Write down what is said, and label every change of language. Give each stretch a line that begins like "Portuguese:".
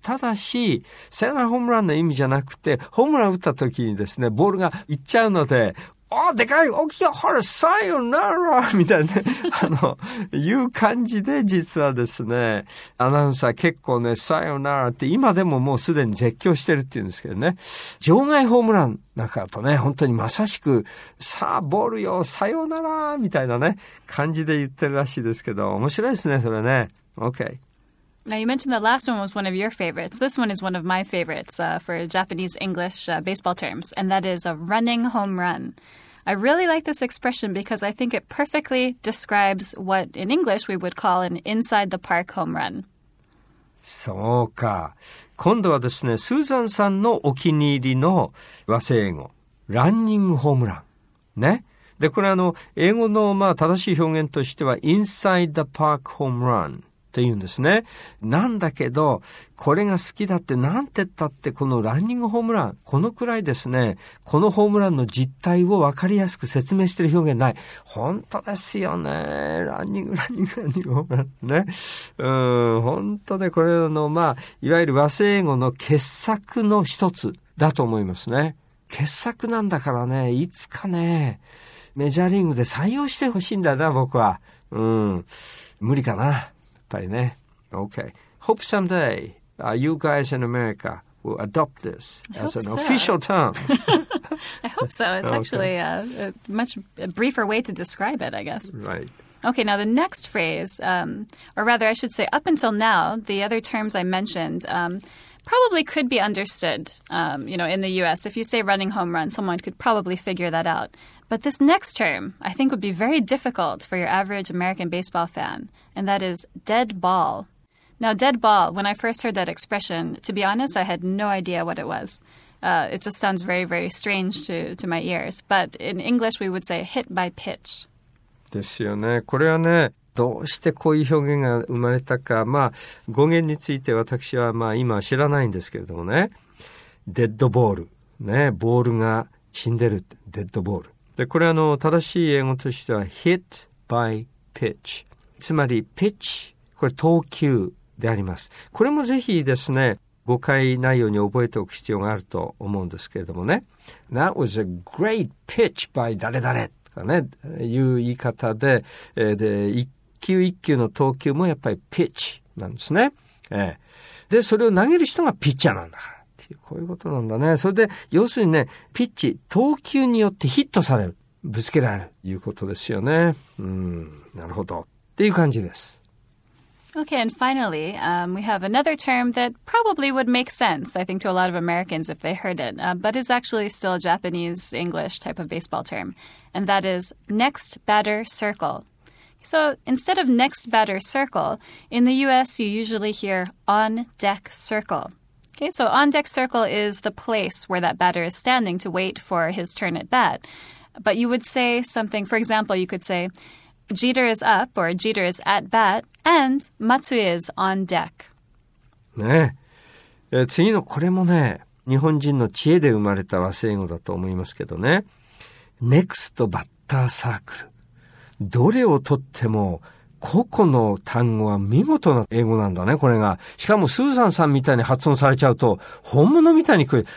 Japanese: ただし、サヨナラホームランの意味じゃなくて、ホームラン打った時にですね、ボールが行っちゃうので、おー、でかい、大きい、ほら、サヨナラみたいなね、いう感じで、実はですね、アナウンサー結構ね、サヨナラって今でももうすでに絶叫してるっていうんですけどね、場外ホームランなんかだとね、本当にまさしく、さあ、ボールよ、サヨナラみたいなね、感じで言ってるらしいですけど、面白いですね、それね。
English: OK。 Now, you mentioned that last one was one of your favorites. This one is one of my favorites for Japanese-English baseball terms, and that is a running home run. I really like this expression because I think it perfectly describes what, in English, we would call an inside-the-park home run.
Japanese: そうか。今度はですね、スーザンさんのお気に入りの和製英語、ランニングホームラン。ね。で、これ英語のまあ正しい表現としては、inside-the-park home run。というんですね。なんだけど、これが好きだって、なんて言ったって、このランニングホームラン、このくらいですね、このホームランの実態を分かりやすく説明している表現ない。本当ですよね。ランニングホームランね。本当ね、これまあ、いわゆる和製英語の傑作の一つだと思いますね。傑作なんだからね、いつかね、メジャーリーグで採用してほしいんだな、僕は。無理かな。Okay.
English: Hope someday you guys in America will adopt this as an official term. I hope so. It's actually a much briefer way to describe it, I guess. Right. Okay, now the next phrase, or rather I should say up until now, the other terms I mentioned probably could be understood, in the U.S. If you say running home run, someone could probably figure that out. But this next term, I think, would be very difficult for your average American baseball fan, and that is dead ball. Now, dead ball, when I first heard that expression, to be honest, I had no idea what it was. It just sounds very, very strange to my ears. But in English, we would say hit by pitch.
Japanese: ですよね。これはね、どうしてこういう表現が生まれたか、まあ、語源について私はまあ今は知らないんですけれどもね。デッドボール。ね、ボールが死んでる。デッドボール。で、これ正しい英語としては hit by pitch。つまり、pitch、これ投球であります。これもぜひですね、誤解ないように覚えておく必要があると思うんですけれどもね。
English: That was a great pitch by
Japanese: 誰々とかね、いう言い方で、で、1球1球の投球もやっぱり pitch なんですね。で、それを投げる人がピッチャーなんだから。こういうことなんだね。それで要するにね、ピッチ、投球によってヒットされる、ぶつけられるということですよね。なるほどっていう感じです。
English: Okay, and finally, we have another term that probably would make sense, I think, to a lot of Americans if they heard it, but is actually still a Japanese English type of baseball term, and that is next batter circle. So instead of next batter circle, in the US you usually hear on deck circle. Okay, so on-deck circle is the place where that batter is standing to wait for his turn at bat. But you would say something, for example, you could say, Jeter is up, or Jeter is at bat, and Matsui is on deck.
Japanese: ね、次のこれもね、日本人の知恵で生まれた和製英語だと思いますけどね。 Next batter circle。どれをとっても個々の単語は見事な英語なんだね、これが。しかも、スーザンさんみたいに発音されちゃうと、本物みたいに来る。